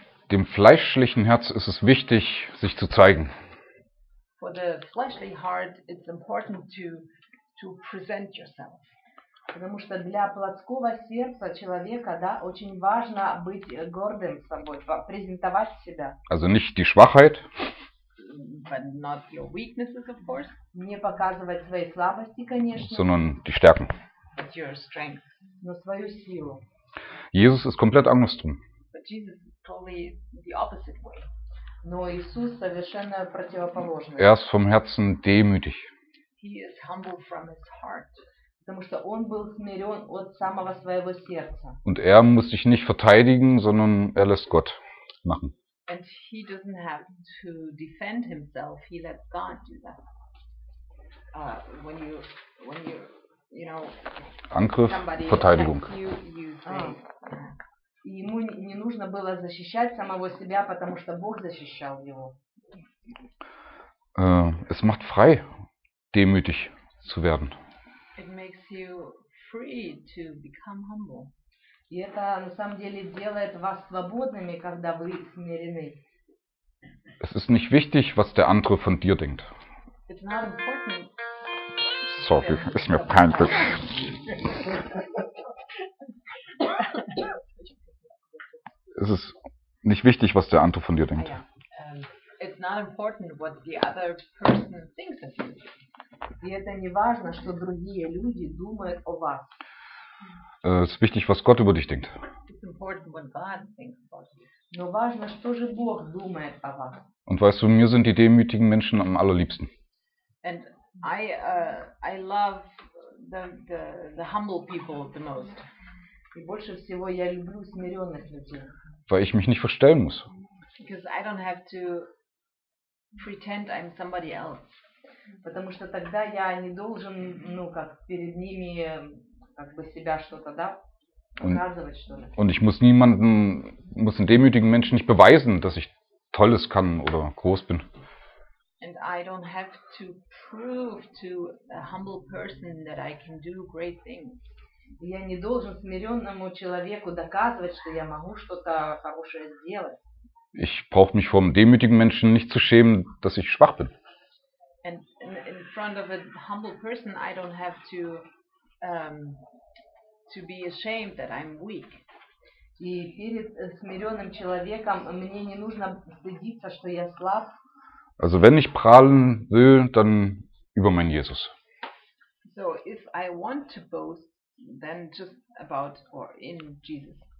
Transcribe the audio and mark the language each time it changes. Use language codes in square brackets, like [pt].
[de] Dem fleischlichen Herz ist es wichtig, sich zu zeigen. [en] For the fleshly heart, it's important to present yourself. [ru] Потому что для плотского сердца человека, да, очень важно быть гордым собой, презентовать себя. [de] Also nicht die Schwachheit. [en] But not your weaknesses, of course. [ru] Не показывать свои слабости, конечно. [de] Sondern die Stärken. [en] But your strength. [ru] Но свою силу. [de] Jesus ist komplett andersrum. [en] But Jesus is totally the opposite way. [ru] Но Иисус совершенно противоположный. [de] Er ist vom Herzen demütig. [en] He is humble from his heart. [ru] Потому что он был смирен от самого своего сердца. [de] Und er muss sich nicht verteidigen, sondern er lässt Gott machen. [en] And he doesn't have to defend himself. He lets God do that. When you know, [de] Angriff, Verteidigung. [en] You say, [ru] ему не нужно было защищать самого себя, потому что Бог защищал его. [de] Es macht frei, demütig zu werden. [en] It makes you free to become humble. [ru] И это на самом деле делает вас свободными, когда вы смирены. [de] Es ist nicht wichtig, was der andere von dir denkt. [en] It's not important. [de] Sorry, ist mir peinlich. Es ist nicht wichtig, was der andere von dir denkt. [en] It's not important what the other person thinks of you. [ru] И это не важно, что другие люди думают о вас. [de] Es ist wichtig, was Gott über dich denkt. [en] It's important what God thinks about you. [ru] Но важно, что же Бог думает о вас. [de] Und weißt du, mir sind die demütigen Menschen am allerliebsten. [en] And I love the humble people the most. [ru] И больше всего я люблю смиренных людей. [de] Weil ich mich nicht verstellen muss. [en] Because I don't have to pretend I'm somebody else. [ru] Потому что тогда я не должен, ну, как перед ними как бы себя что-то, да? [de] Und ich muss niemanden, muss den demütigen Menschen nicht beweisen, dass ich Tolles kann oder groß bin. [en] And I don't have to prove to a humble person that I can do great things. [ru] Я не должен смиренному человеку доказывать, что я могу что-то хорошее сделать. [de] Ich brauche mich vor einem demütigen Menschen nicht zu schämen, dass ich schwach bin. [en] And in front of a humble person, I don't have to to be ashamed that I'm weak. [ru] И перед смиренным человеком мне не нужно стыдиться, что я слаб. [de] Also wenn ich prahlen will, dann über meinen Jesus. [en] So if I want to boast, then just about or in Jesus.